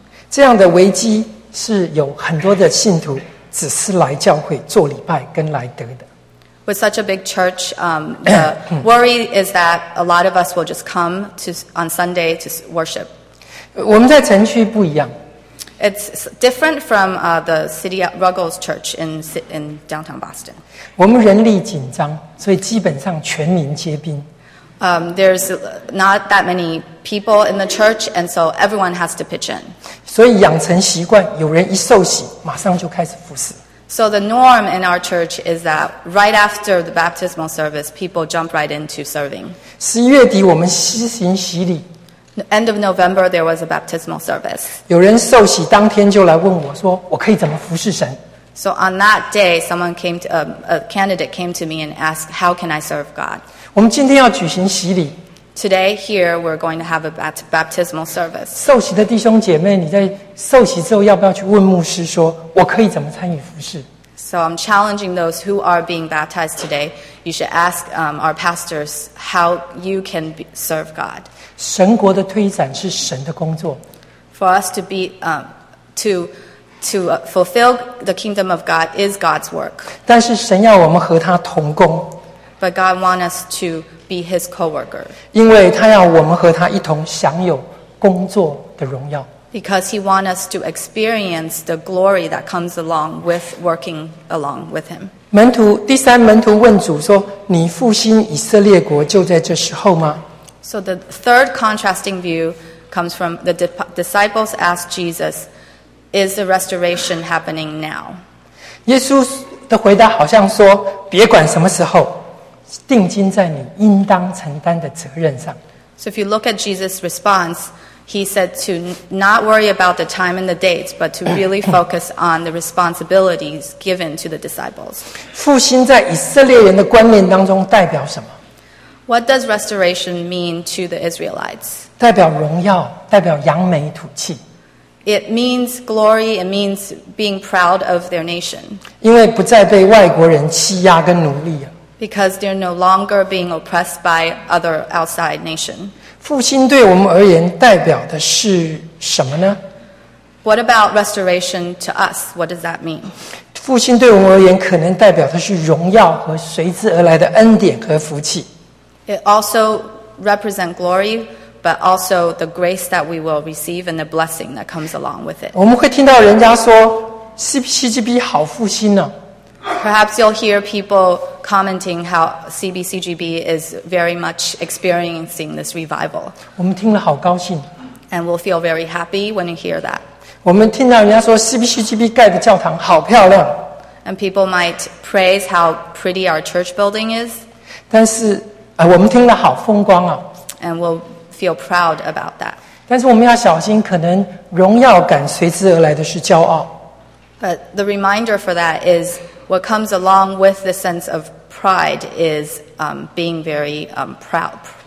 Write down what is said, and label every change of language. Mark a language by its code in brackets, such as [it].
[zh] 这样的危机是有很多的信徒只是来教会做礼拜跟来得的。 [en] With such a big church, the worry is that a lot of us will just come to on Sunday to worship. [zh] 我们在城区不一样。 [en] It's different from the city Ruggles Church in downtown Boston. [zh] 我们人力紧张，所以基本上全民皆兵。 [en] There's not that many people in the church, and so everyone has to pitch in. [zh] 所以养成习惯，有人一受洗，马上就开始服事。 [en] So the norm in our church is that right after the baptismal service, people jump right into serving. [zh] 十一月底我们施行洗礼。 [en] End of November, there was a baptismal service. [zh] 有人受洗当天就来问我说，我可以怎么服事神？ [en] So on that day, someone came to a candidate came to me and asked, "How can I serve God?" [zh] 我们今天要举行洗礼。 [en] Today here we're going to have a baptismal service. [zh] 受洗的弟兄姐妹，你在受洗之后要不要去问牧师说，我可以怎么参与服事？ [en] So I'm challenging those who are being baptized today. You should ask our pastors how you can serve God. [zh] 神国的推展是神的工作。 [en] For us to be to fulfill the kingdom of God is God's work. [zh] 但是神要我们和他同工。 [en] But God wants us to be His co-worker. [zh] 因为他要我们和他一同享有工作的荣耀。 [en] Because He wants us to experience the glory that comes along with working along with Him. [zh] 门徒第三门徒问主说：“你复兴以色列国就在这时候吗？” [en] So the third contrasting view comes from the disciples asked Jesus, "Is the restoration happening now?" [zh] 耶稣的回答好像说：“别管什么时候。” 定睛在你应当承担的责任上。 [en] So if you look at Jesus' response, he said to not worry about the time and the dates, but to really focus on the responsibilities given to the disciples. [zh] 复兴在以色列人的观念当中代表什么？ [en] What does restoration mean to the Israelites? [zh] 代表荣耀，代表扬眉吐气。 [en] It means glory, it means being proud of their nation. [zh] 因为不再被外国人欺压跟奴隶啊。 [en] Because they're no longer being oppressed by other outside nations. [zh] 复兴对我们而言代表的是什么呢？ [en] What about restoration to us? What does that mean? [zh] 复兴对我们而言可能代表的是荣耀和随之而来的恩典和福气。 [en] It also represents glory, but also the grace that we will receive and the blessing that comes along with it. [zh] 我们会听到人家说 CPCGB 好复兴啊。 [en] Perhaps you'll hear people commenting how CBCGB is very much experiencing this revival. [zh] 我们听了好高兴。 [en] And we'll feel very happy when you hear that. [zh] 我们听到人家说 CBCGB 盖的教堂好漂亮。 [en] And people might praise how pretty our church building is. [zh] 但是我们听了好风光啊。 [en] And we'll feel proud about that. [zh] 但是我们要小心，可能荣耀感随之而来的是骄傲。 [en] But the reminder for that is,What comes along with the sense of pride is being very proud.